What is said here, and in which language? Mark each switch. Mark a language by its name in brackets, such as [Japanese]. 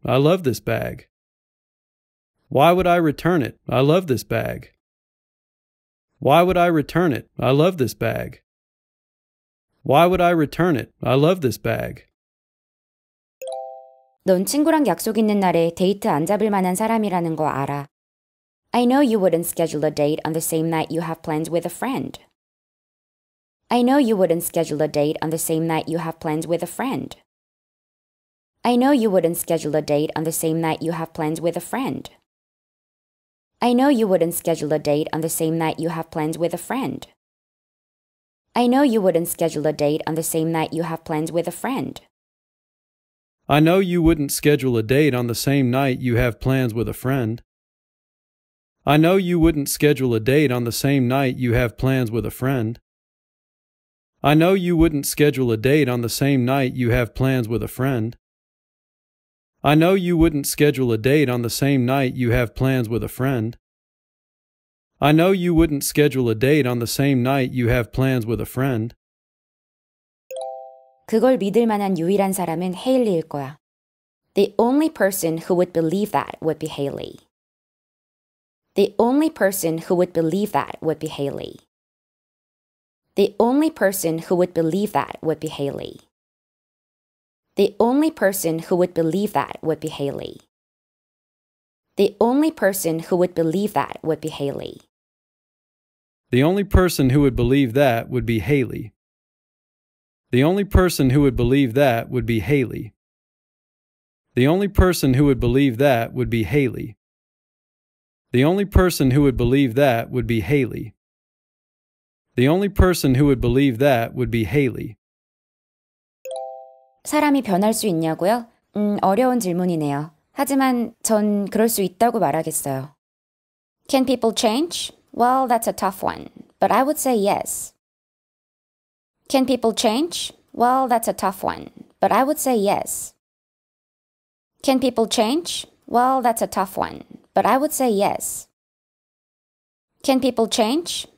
[English] I love this bag. Why would I return it? I love this bag. Why would I return it? I love this bag. Why would I return it? I love this bag. [Korean] 넌 친구랑 약속 있는 날에 데이트 안 잡을 만한 사람이라는 거 알아. [English] I know you wouldn't schedule a date on the same night you have plans with a friend. I know you wouldn't schedule a date on the same night you have plans with a friend. I know you wouldn't schedule a date on the same night you have plans with a friend. I know you wouldn't schedule a date on the same night you have plans with a friend. I know you wouldn't schedule a date on the same night you have plans with a friend. I know you wouldn't schedule a date on the same night you have plans with a friend. I know you wouldn't schedule a date on the same night you have plans with a friend. I know you wouldn't schedule a date on the same night you have plans with a friend. I know you wouldn't schedule a date on the same night you have plans with a friend. I know you wouldn't schedule a date on the same night you have plans with a friend. [Korean] 그걸 믿을 만한 유일한 사람은 헤일리일 거야. [English] The only person who would believe that would be Haley. The only person who would believe that would be Haley. The only person who would believe that would be Haley. The only person who would believe that would be Haley. The only person who would believe that would be Haley. The only person who would believe that would be Haley. The only person who would believe that would be Haley. The only person who would believe that would be Haley. The only person who would believe that would be Haley. The only person who would believe that would be Haley. [Korean] 사람이 변할 수 있냐고요? 어려운 질문이네요. 하지만 전 그럴 수 있다고 말하겠어요. [English] Can people change? Well, that's a tough one, but I would say yes. Can people change? Well, that's a tough one, but I would say yes. Can people change? Well, that's a tough one, but I would say yes. Can people change?